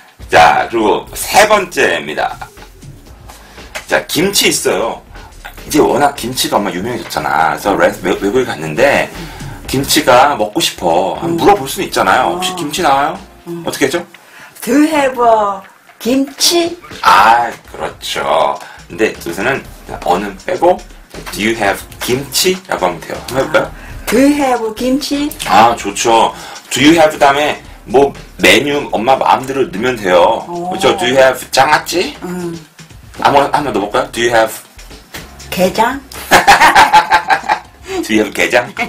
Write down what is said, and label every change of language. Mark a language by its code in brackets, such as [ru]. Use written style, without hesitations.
[ko] 자, 그리고 세 번째입니다. 자, 김치 있어요. 이제 워낙 김치가 엄마 유명해졌잖아. 그래서 외국에 갔는데 김치가 먹고 싶어. 물어볼 수는 있잖아요. 혹시 김치 나와요? 어떻게 하죠? [en] Do you have a 김치? [ko] 아, 그렇죠. 근데 요새는 어는 빼고 [en] Do you have [ko] 김치? 라고 하면 돼요. 한번 해볼까요? [en] Do you have 김치? [ko] 아, 좋죠. [en] Do you have [ko] 다음에 뭐 메뉴 엄마 마음대로 넣으면 돼요. 그렇죠? [en] Do you have 장아찌? [ko] 한번 넣어볼까요? [en] Do you have [ko] 게장? [en] Do you have 게장?